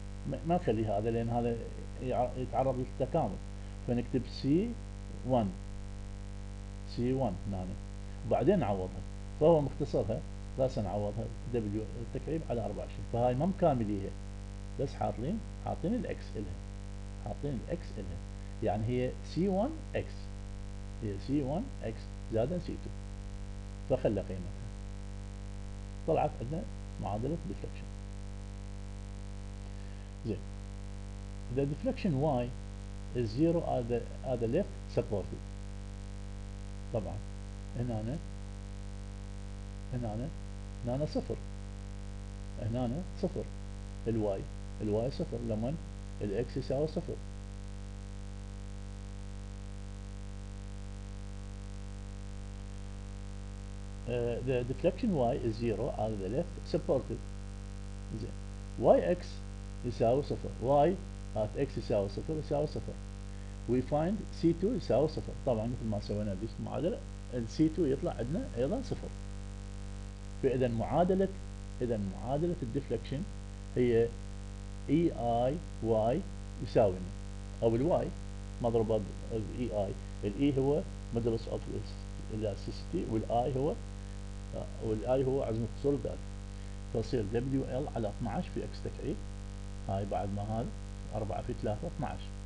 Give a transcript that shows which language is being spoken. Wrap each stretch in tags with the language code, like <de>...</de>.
<ar>ما نخلي هذا لان هذا يتعرض للتكامل، فنكتب C1 هنا وبعدين نعوضها، فهو مختصرها بس نعوضها W التكعيب على 24، فهاي مو كامليه بس حاطين الاكس لها، حاطين الاكس لها، يعني هي C1X، هي C1X زائد C2، فخلى قيمتها طلعت عندنا معادلة ديفلكشن.</ar> <en>زين the deflection y is zero at the left supported.</en> <ar>طبعا هنا صفر، هنا صفر الواي صفر لما الاكس يساوي صفر.</ar> <en>The deflection y is zero at the left supported.</en> <ar>زين yx يساوي صفر، y at x يساوي صفر يساوي صفر.</ar> <en>We find c2</en> <ar>يساوي صفر، طبعا مثل ما سوينا بهذه المعادلة ال c2 يطلع عندنا ايضا صفر. فاذا معادلة الديفلكشن هي ei y يساوي او الواي مضروبة ب ei، ال e هو</ar> <en>modulus of elasticity</en> <ar>والاي هو عزم اتصال الذات، فصير WL على 12 في X تكعيب، هاي بعد ما هذا 4 في 3 12</ar>